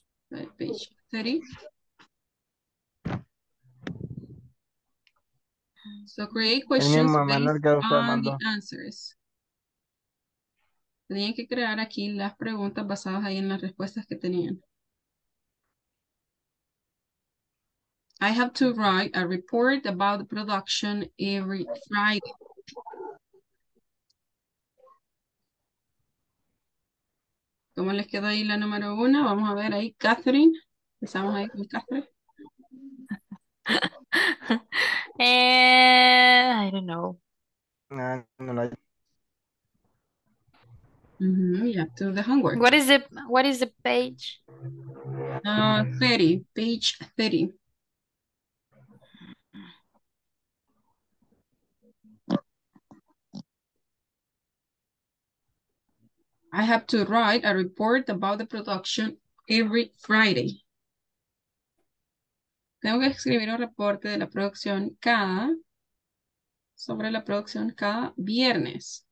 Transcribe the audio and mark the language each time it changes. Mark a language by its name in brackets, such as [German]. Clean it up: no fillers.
[English] Page 30. So create questions based on the answers. [Spanish] Tenían que crear aquí las preguntas basadas ahí en las respuestas que tenían. [English] I have to write a report about the production every Friday. [Spanish] ¿Cómo les quedó ahí la número uno? Vamos a ver ahí, Catherine. Empezamos ahí con Catherine. [English] I don't know. Yeah, do the homework. What is the page? 30, page 30. I have to write a report about the production every Friday. [Spanish] Tengo que escribir un reporte de la producción cada viernes.